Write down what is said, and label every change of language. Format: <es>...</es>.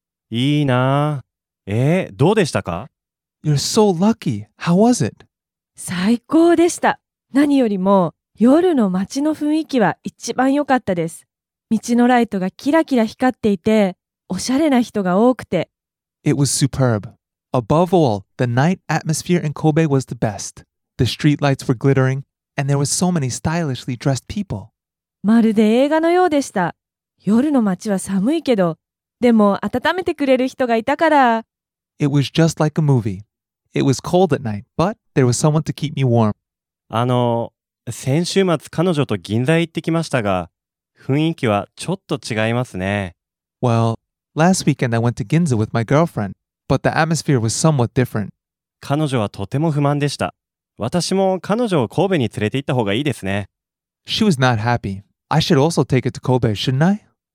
<ja>いいな。どうでしたか？</ja> <en>You're so lucky. How was it?</en> <ja>最高でした。何よりも夜の街の雰囲気は一番良かったです。道のライトがキラキラ光っていて、おしゃれな人が多くて。</ja> <en>It was superb. Above all, the night atmosphere in Kobe was the best. The street lights were glittering, and there were so many stylishly dressed people.</en> <ja>まるで映画のようでした。夜の街は寒いけど、でも温めてくれる人がいたから。</ja> <en>It was just like a movie. It was cold at night, but there was someone to keep me warm.</en> <ja>先週末彼女と銀座へ行ってきましたが、雰囲気はちょっと違いますね。</ja> <en>Well, last weekend I went to Ginza with my girlfriend, but the atmosphere was somewhat different.</en> <ja>彼女はとても不満でした。私も彼女を神戸に連れて行った方がいいですね。</ja> <en>She was not happy. I should also take her to Kobe, shouldn't I?</en>